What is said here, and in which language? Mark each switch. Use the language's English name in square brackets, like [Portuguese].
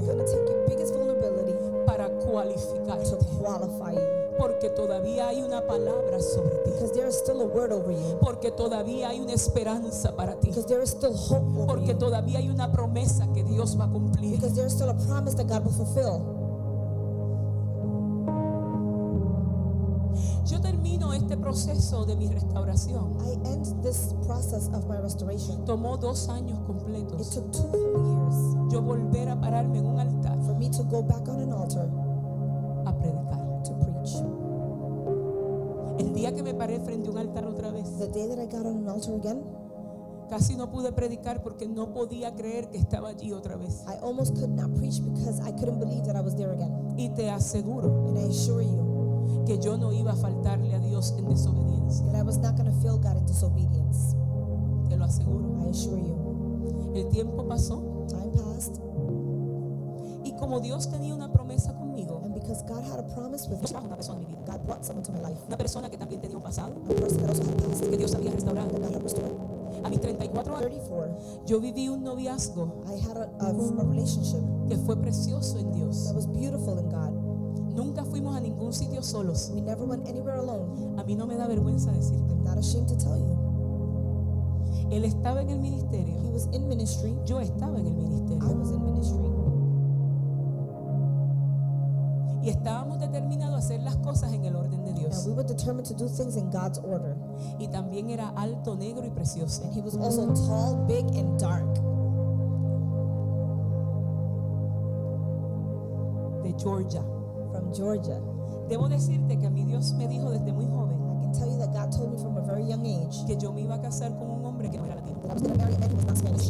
[English] God is going to take your biggest vulnerability [Spanish] para cualificarte. [English] To qualify you. [Spanish] Porque todavía hay una palabra sobre ti. [English] Because there is still a word over you. [Spanish] Porque todavía hay una esperanza para ti. [English] Because there is still hope over you. [Spanish] Porque todavía hay una promesa que Dios va a cumplir. [English] Because there is still a promise that God will fulfill. [Spanish] Yo termino este proceso de mi restauración. [English] I end this process of my restoration. [Spanish] Tomó 2 años completos. [English] It took 2 years. [Spanish] Yo volver a pararme en un altar. [English] For me to go back on an altar. [Spanish] A predicar. [English] To preach. [Spanish] El día que me paré frente a un altar otra vez. [English] The day that I got on an altar again. [Spanish] Casi no pude predicar porque no podía creer que estaba allí otra vez. [English] I almost could not preach because I couldn't believe that I was there again. [Spanish] Y te aseguro. [English] And I assure you. [Spanish] Que yo no iba a faltarle a Dios en desobediencia. [English] That I was not going to fail God in disobedience. [Spanish] Te lo aseguro. [English] I assure you. [Spanish] El tiempo pasó. [English] Time passed. [Spanish] Y como Dios tenía una promesa conmigo, [English] and because God had a promise with me, God brought someone to my life. [Spanish] Una persona que también tenía un pasado, [English] a person that also had a past, [Spanish] que Dios había restaurado. [English] That God had restored. [Spanish] A mis 34 años, [English] 34, [Spanish] yo viví un noviazgo, [English] I had a relationship [Spanish] que fue precioso en Dios. [English] That was beautiful in God. [Spanish] Nunca fuimos a ningún sitio solos. [English] We never went anywhere alone. [Spanish] A mí no me da vergüenza decirte. [English] I'm not ashamed to tell you. [Spanish] Él estaba en el ministerio. [English] He was in ministry. [Spanish] Yo estaba en el ministerio. [English] I was in ministry. [Spanish] Y estábamos determinados a hacer las cosas en el orden de Dios. [English] And we were determined to do things in God's order. [Spanish] Y también era alto, negro y precioso. [English] And he was also tall, big and dark. [Spanish] De Georgia. [English] From Georgia. [Spanish] Debo decirte que a mí Dios me dijo desde muy joven. [English] I can tell you that God told me from a very young age [Spanish] que yo me iba a casar con un hombre que no era latino. [English] I was going to marry a man who was not Spanish.